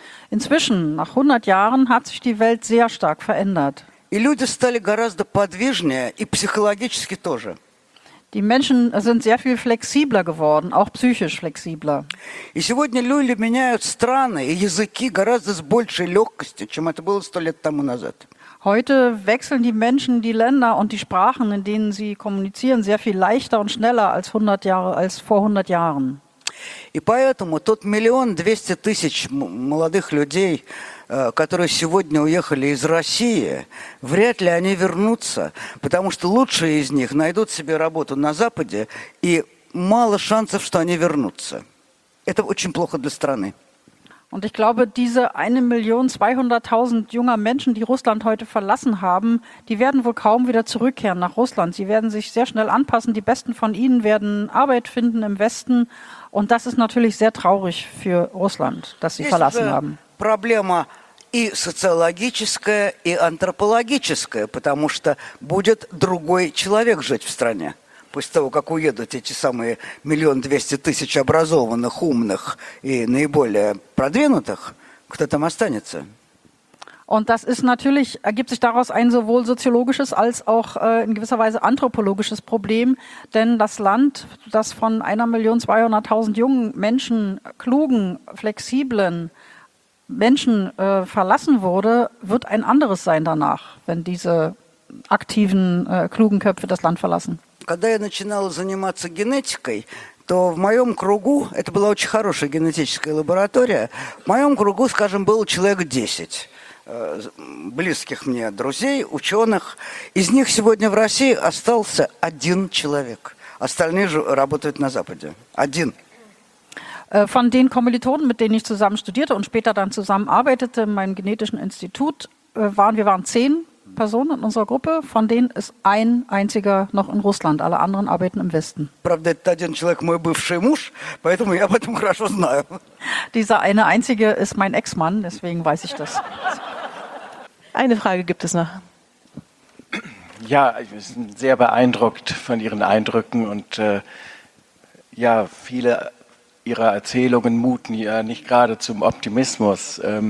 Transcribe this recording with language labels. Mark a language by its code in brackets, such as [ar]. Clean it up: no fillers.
[de] Inzwischen, nach 100 Jahren, hat sich die Welt sehr stark verändert. [ru] И люди стали гораздо подвижнее, и психологически тоже. [de] Die Menschen sind sehr viel flexibler geworden, auch psychisch flexibler. [ru] И сегодня люди меняют страны и языки гораздо с большей легкостью, чем это было 100 лет тому назад. [de] Heute wechseln die Menschen die Länder und die Sprachen, in denen sie kommunizieren, sehr viel leichter und schneller als 100 Jahre, als vor 100 Jahren. [ru] И поэтому тот 1 200 000 молодых людей, которые сегодня уехали из России, вряд ли они вернутся, потому что лучшие из них найдут себе работу на Западе, и мало шансов, что они вернутся. Это очень плохо для страны. [de] Und ich glaube, diese 1 200 000 junger Menschen, die Russland heute verlassen haben, die werden wohl kaum wieder zurückkehren nach Russland. Sie werden sich sehr schnell anpassen. Die besten von ihnen werden Arbeit finden im Westen. Und das ist natürlich sehr traurig für Russland, dass sie verlassen haben. [ru] Проблема и социологическая, и антропологическая, потому что будет другой человек жить в стране. После того, как уедут эти самые 1 200 000 образованных, умных и наиболее продвинутых, кто там останется? [de] Und das ist natürlich, ergibt sich daraus ein sowohl soziologisches als auch in gewisser Weise anthropologisches Problem, denn das Land, das von 1 200 000 jungen Menschen, klugen, flexiblen Menschen verlassen wurde, wird ein anderes sein danach, wenn diese aktiven, klugen Köpfe das Land verlassen. [ru] Когда я начинал заниматься генетикой, то в моем кругу, это была очень хорошая генетическая лаборатория, в моем кругу, скажем, было человек 10. близких мне друзей, ученых. Из них сегодня в России остался один человек. Остальные же работают на Западе. Один. [de] Von den Kommilitonen, mit denen ich zusammen studierte und später dann zusammen arbeitete in meinem genetischen Institut, waren 10 Personen in unserer Gruppe, von denen ist ein einziger noch in Russland, alle anderen arbeiten im Westen. [ru] Правда, это один человек мой бывший муж, поэтому я об этом хорошо знаю. [de] Dieser eine einzige ist mein Ex-Mann, deswegen weiß ich das. Eine Frage gibt es noch. Ja, ich bin sehr beeindruckt von Ihren Eindrücken und ja, viele Ihre Erzählungen muten ja nicht gerade zum Optimismus.